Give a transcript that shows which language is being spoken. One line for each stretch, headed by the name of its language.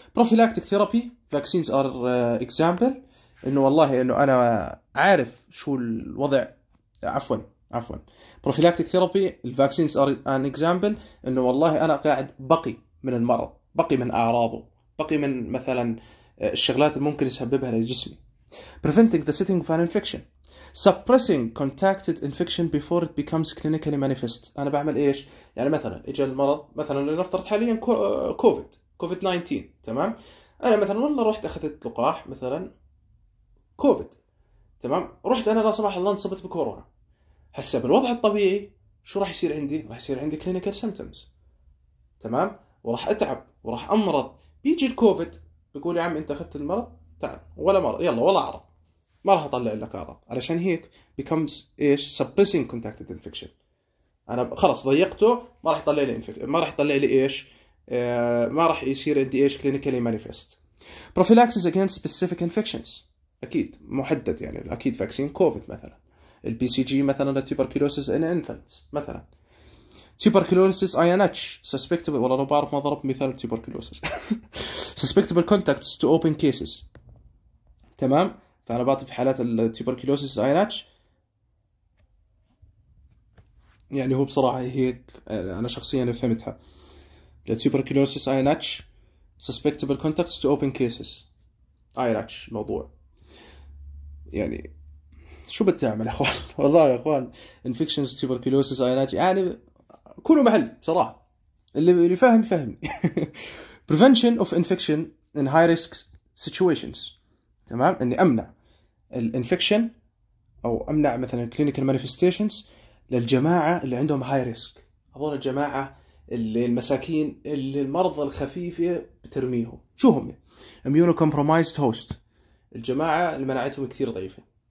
English: prophylactic therapy vaccines are example,
Arabic: انه والله انه انا عارف شو الوضع، عفوا
English: prophylactic therapy الفاكسينز are an example,
Arabic: انه والله انا قاعد بقي من المرض، بقي من أعراضه، بقي من مثلا الشغلات اللي ممكن يسببها لجسمي.
English: Preventing the setting of an infection. Suppressing contacted infection before it becomes clinically manifest.
Arabic: أنا بعمل إيش؟ يعني مثلا إجا المرض مثلا لنفترض حاليا كوفيد، كوفيد 19، تمام؟ أنا مثلا والله رحت أخذت لقاح مثلا كوفيد، تمام؟ رحت أنا لا سمح الله انصبت بكورونا. هسه بالوضع الطبيعي شو راح يصير عندي؟ راح يصير عندي
English: clinical symptoms،
Arabic: تمام؟ وراح أتعب وراح أمرض. بيجي الكوفيد بيقول يا عم أنت أخذت المرض، تعال ولا مرض، يلا ولا أعرض، ما راح اطلع لك اعراض. علشان هيك
English: becomes
Arabic: ايش؟
English: suppressing contacted infection.
Arabic: انا خلاص ضيقته، ما راح يطلع لي ما راح يطلع لي ايش؟ ما راح يصير عندي ايش؟
English: clinically manifest. prophylaxis against specific infections.
Arabic: اكيد محدد يعني اكيد فاكسين كوفيد مثلا. البي سي جي مثلا للتوبركلوسيس
English: in infants
Arabic: مثلا. tuberculosis اي ان اتش
English: suspectable،
Arabic: والله لو بعرف ما ضرب مثال tuberculosis.
English: suspectable contacts to open cases.
Arabic: تمام؟ فأنا بعطي في حالات التوبركيلوسيس اي ان اتش، يعني هو بصراحة هيك انا شخصيا فهمتها. التوبركيلوسيس اي ان اتش
English: suspectable contacts to open cases
Arabic: اي ان اتش الموضوع. يعني شو بتعمل يا اخوان؟ والله يا اخوان
English: infections tuberculosis
Arabic: اي ان اتش يعني كله محل بصراحة، اللي فاهم فاهم.
English: prevention of infection in high risk situations.
Arabic: تمام؟ اني امنع الانفكشن او امنع مثلا
English: clinical manifestations
Arabic: للجماعه اللي عندهم
English: high risk,
Arabic: هذول الجماعه اللي المساكين اللي المرضى الخفيفه بترميهم. شو هم؟
English: immunocompromised host,
Arabic: الجماعه اللي مناعتهم كثير ضعيفه.